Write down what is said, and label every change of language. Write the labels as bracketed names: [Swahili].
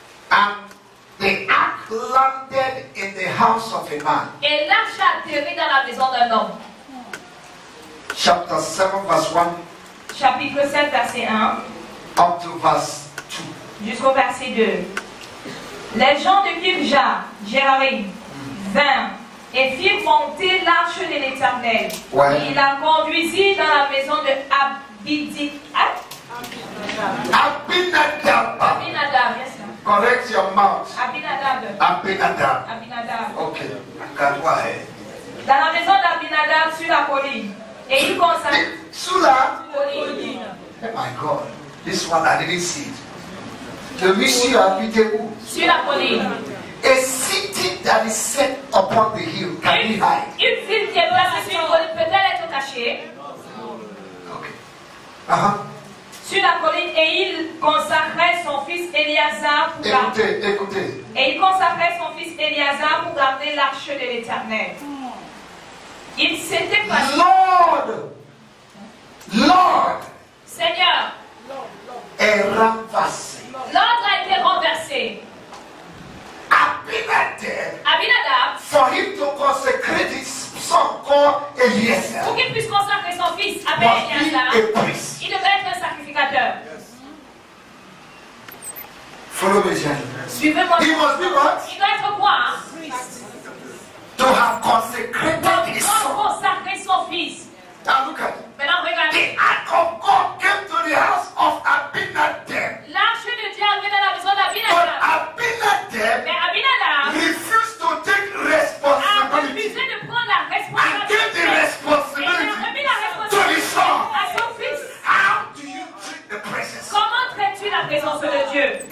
[English] And the ark landed in the house of a man. [French] Et l'arche a atterri dans la maison d'un homme. [English] Chapter 7, verse 1 [French] chapitre 7, verset 1, [English] up to verse 2. [French] Jusqu'au verset 2. Les gens de Kibja, Jéharim, vinrent et firent monter l'arche de l'Éternel. Ouais. Et il la conduisit dans la maison de Abinadab. [English] Abinadab. Correct your mouth. Abinadab. Okay. Go ahead. [French] Dans la maison d'Abinadab sur la colline. Et il consacre. Sous la colline. [English] My God. This one I didn't see it. [French] Le monsieur habitait où? Sur la colline. [English] A city that is set upon the hill can be hide. [French] Une ville qui est placée sur la colline peut-elle être cachée? [English] Okay. [French] Sur la colline, et il consacrait son fils Éliasar pour garder. Écoutez. Et il consacrait son fils Éliasar pour garder l'arche de l'Éternel. Il s'était [English] pas. Lord. Lord. [French] Seigneur. Est renversé. L'ordre a été renversé. [English] Abinadab. For him to consecrate his son called Eliezer. [French] Pour qu'il puisse consacrer son fils avec Eliezer. Il devait être un sacrificateur. Yes. [English] Follow me, gentlemen. [French] Suivez-moi. [English] He must be what? [French] Il doit être quoi? [English] Priest. To have consecrated his son. [French] Pour consacrer son fils. [English] Now look at [French] it. Maintenant, regardez. [English] The ark of God came to the house of Abinadab. [French] L'arche de Dieu venait dans la maison d'Abinadab. [English] But Abinadab, [French] mais Abinadab [English] refused to take responsibility. [French] A refusé de prendre la responsabilité. [English] And gave the responsibility, [French] et remis la responsabilité [English] to the son. [French] À son fils. [English] How do you treat the presence? [French] Comment traites-tu la présence de Dieu?